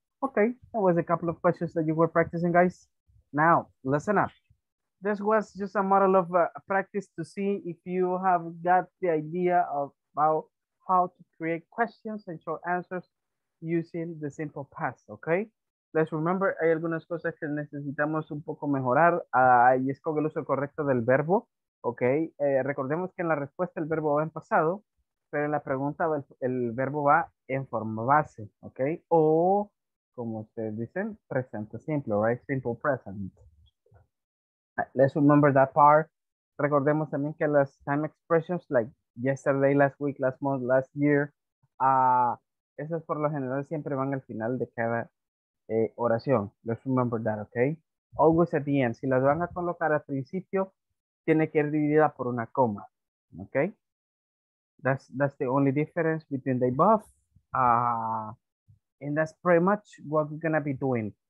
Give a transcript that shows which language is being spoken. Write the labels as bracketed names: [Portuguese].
[English] Okay, that was a couple of questions that you were practicing, guys. Now, listen up. This was just a model of practice to see if you have got the idea of about how to create questions and short answers using the simple past, okay? Let's remember, [Spanish] hay algunas cosas que necesitamos un poco mejorar, y es con el uso correcto del verbo, okay? Recordemos que en la respuesta el verbo va en pasado, pero en la pregunta el verbo va en forma base, okay? O, como ustedes dicen, presente simple, [English] right? Simple present. Let's remember that part. [Spanish] Recordemos también que las [English] time expressions like yesterday, last week, last month, last year, [Spanish] esas por lo general siempre van al final de cada oración. [English] Let's remember that, okay? Always at the end. [Spanish] Si las van a colocar al principio, tiene que ir dividida por una coma, okay? [English] That's the only difference between the above. And that's pretty much what we're going to be doing.